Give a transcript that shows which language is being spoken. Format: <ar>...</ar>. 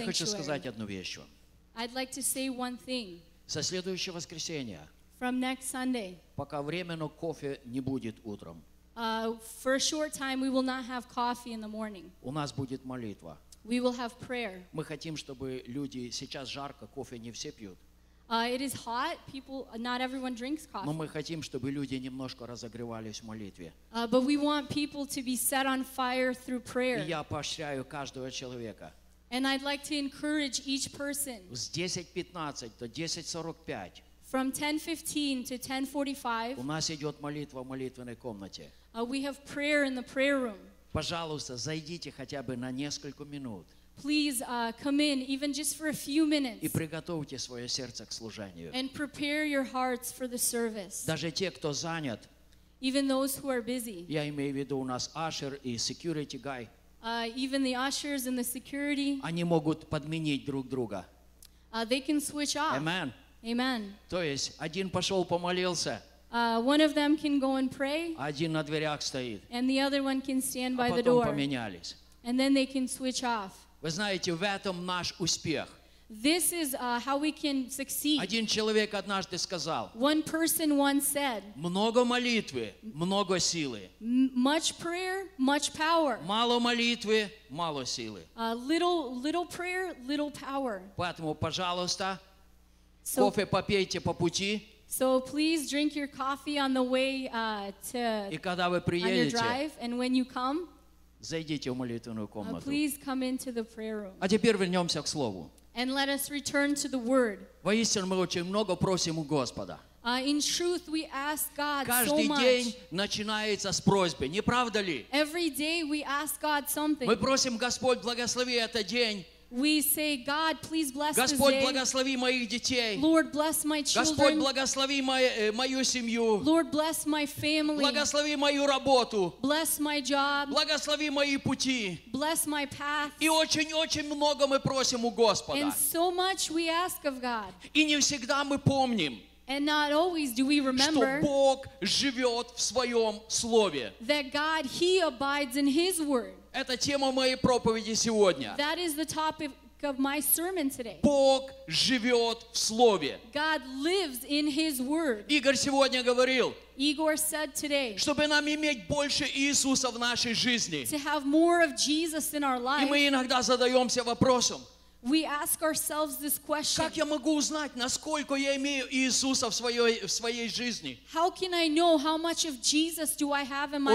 <ru>я хочу сказать одну вещь вам.</ru> <en>I'd like to say one thing.</en> <ru>Со следующего воскресенья.</ru> <en>From next Sunday.</en> <ru>Пока временно кофе не будет утром.</ru> <en>For a short time we will not have coffee in the morning.</en> <ru>У нас будет молитва.</ru> <en>We will have prayer.</en> <ru>Мы хотим, чтобы люди сейчас жарко, кофе не все пьют.</ru> <en>It is hot. People, not everyone drinks coffee.</en> <ru>Но мы хотим, чтобы люди немножко разогревались в молитве.</ru> <en>But we want people to be set on fire through prayer.</en> <ru>И я поощряю каждого человека.</ru> <en>And I'd like to encourage each person.</en> <ru>С 10:15 до 10:45.</ru> <en>From 10:15 to 10:45.</en> <ru>У нас идет молитва в молитвенной комнате.</ru> <en>We have prayer in the prayer room.</en> <ru>Пожалуйста, зайдите хотя бы на несколько минут.</ru> <en>Please come in, even just for a few minutes.</en> <ru>И приготовьте свое сердце к служению.</ru> <en>And prepare your hearts for the service.</en> <ru>Даже те, кто занят.</ru> <en>Even those who are busy.</en> <ru>Я имею в виду у нас ашер и</ru> <en>security guy. Even the ushers and the security.</en> <ru>Они могут подменить друг друга.</ru> <en>They can switch off. Amen. Amen.</en> <ru>То есть один пошел помолился.</ru> <en>One of them can go and pray.</en> <ru>Один на дверях стоит.</ru> <en>And the other one can stand а by the door.</en> <ru>А потом поменялись.</ru> <en>And then they can switch off.</en> <ru>Вы знаете, в этом наш успех.</ru> <en>This is how we can succeed.</en> <ru>Один человек однажды сказал.</ru> <en>One person once said.</en> <ru>Много молитвы, много силы.</ru> <en>Much prayer, much power.</en> <ru>Мало молитвы, мало силы.</ru> <en>Little prayer, little power.</en> <ru>Поэтому, пожалуйста, кофе попейте по пути.</ru> <en>So please drink your coffee on the way to.</en> <ru>И когда вы приедете.</ru> <en>On your drive, and when you come.</en> <ru>Зайдите в молитвенную комнату.</ru> <en>Please come into the prayer room.</en> <ru>А теперь вернемся к Слову.</ru> <en>And let us return to the Word.</en> <ru>Воистину, мы очень много просим у Господа.</ru> <en>In truth, we ask God</en> <ru>Каждый</ru> <en>so much.</en> <ru>Каждый день начинается с просьбы, не правда ли?</ru> <en>Every day we ask God something.</en> <ru>Мы просим, Господь, благослови этот день.</ru> <en>We say, God, please bless</en> <ru>Господь,</ru> <en>this day.</en> <ru>Благослови моих детей.</ru> <en>Lord, bless my children.</en> <ru>Господь, благослови мою семью.</ru> <en>Lord, bless my family.</en> <ru>Благослови мою работу.</ru> <en>Bless my job.</en> <ru>Благослови мои пути.</ru> <en>Bless my path.</en> <ru>И очень-очень много мы просим у Господа.</ru> <en>And so much we ask of God.</en> <ru>И не всегда мы помним.</ru> <en>And not always do we remember</en> <ru>что Бог живет в своем слове.</ru> <en>That God, He abides in His word.</en> <ru>Это тема моей проповеди сегодня.</ru> <en>That is the topic of my sermon today.</en> <ru>Бог живет в Слове.</ru> <en>God lives in His word.</en> <ru>Игорь сегодня говорил,</ru> <en>Igor said today,</en> <ru>чтобы нам иметь больше Иисуса в нашей жизни.</ru> <en>To have more of Jesus in our life.</en> <ru>И мы иногда задаемся вопросом,</ru> <en>we ask ourselves this question,</en> <ru>как я могу узнать, насколько я имею Иисуса в своей жизни?</ru> <en>How can I know how much of Jesus do I have in my</en>